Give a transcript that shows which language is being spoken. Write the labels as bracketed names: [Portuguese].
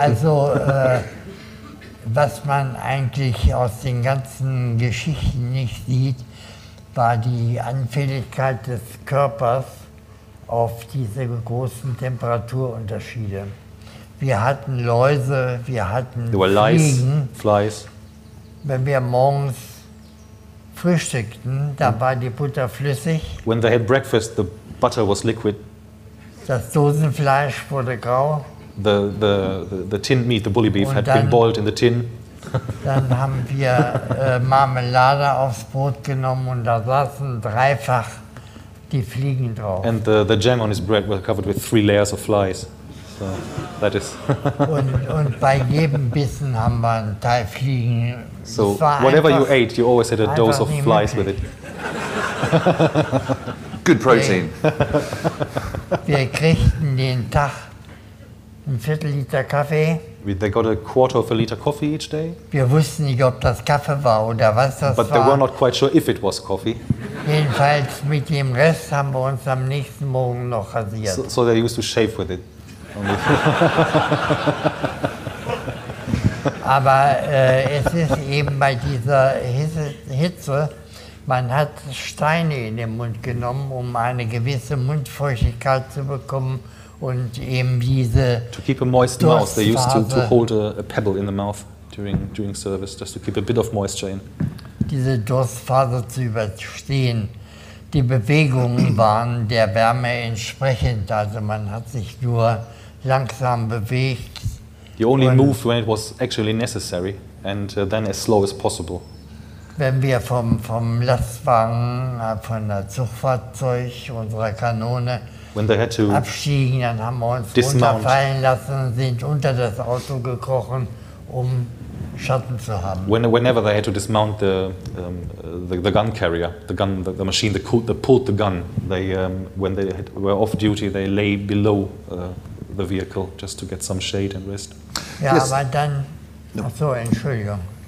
[German] Also, was man eigentlich aus den ganzen Geschichten nicht sieht, war die Anfälligkeit des Körpers auf diese großen Temperaturunterschiede. Wir hatten Läuse, wir hatten Fliegen. [English] Flies. [German] Wenn wir morgens frühstückten, da war die Butter flüssig. [English] When they had breakfast, the butter was liquid. [German] Das Dosenfleisch wurde grau. [English] The tinned meat, the bully beef, [German] und [English] had [German] dann, [English] been boiled in the tin. [German] Dann haben wir Marmelade aufs Brot genommen und da saßen dreifach die Fliegen drauf. [English] And the jam on his bread was covered with three layers of flies. So that is [German] und bei jedem Bissen haben wir einen Teil Fliegen. [English] So whatever you ate, you always had a dose of flies with it. Good protein. [German] Wir kriegten den Tag einen Viertelliter Kaffee. [English] They got a quarter of a liter coffee each day. [German] Wir wussten nicht, ob das Kaffee war oder was das war. [English] But they were not quite sure if it was coffee. [German] Jedenfalls mit dem Rest haben wir uns am nächsten Morgen noch rasiert. [English] So they used to shave with it. [German] Aber es ist eben bei dieser Hitze, man hat Steine in den Mund genommen, um eine gewisse Mundfeuchtigkeit zu bekommen und eben diese. [English] To keep a moist mouth, they used to hold a pebble in the mouth during service, just to keep a bit of moisture in. [German] Diese Durstphase zu überstehen. Die Bewegungen waren der Wärme entsprechend, also man hat sich nur langsam bewegt. [English] You only moved when it was actually necessary and then as slow as possible. [German] Wenn wir vom Lastwagen, von der Zugfahrzeug, unserer Kanone abstiegen, dann haben wir uns [English] dismount. [German] Runterfallen lassen und sind unter das Auto gekrochen, um Schatten zu haben. [English] Whenever they had to dismount the gun carrier, the machine that pulled the gun, they when they were off duty, they lay below the vehicle, just to get some shade and rest. [German] Ja, [English] yes. [German] Aber dann, achso, Entschuldigung.